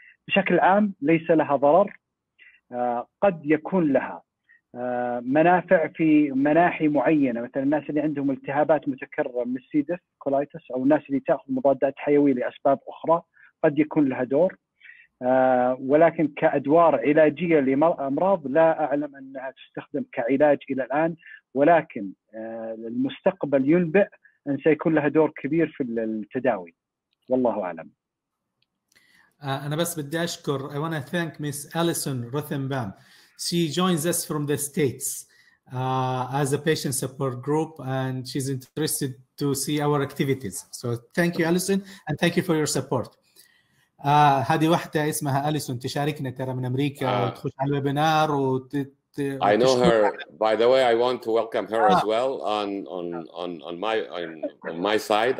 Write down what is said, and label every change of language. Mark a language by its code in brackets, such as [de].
[ar] بشكل عام ليس لها ضرر، قد يكون لها منافع في مناحي معينة، مثلا الناس اللي عندهم التهابات متكررة من السيدف كولايتس أو الناس اللي تأخذ مضادات حيوية لأسباب أخرى قد يكون لها دور، ولكن كأدوار علاجية لأمراض لا أعلم أنها تستخدم كعلاج إلى الآن، ولكن المستقبل ينبئ أن سيكون لها دور كبير في التداوي، والله أعلم. أنا بس بدي أشكر، [en] I want to thank Miss Alison Ruthenbaum. She joins us from the States as a patient support group, and she's interested to see our activities. So thank you, Alison, and thank you for your support. [ar] هذه واحدة اسمها أليسون تشاركنا ترى من أمريكا وتخش على الويبينار [en] I know her. By the way, I want to welcome her as well on my side.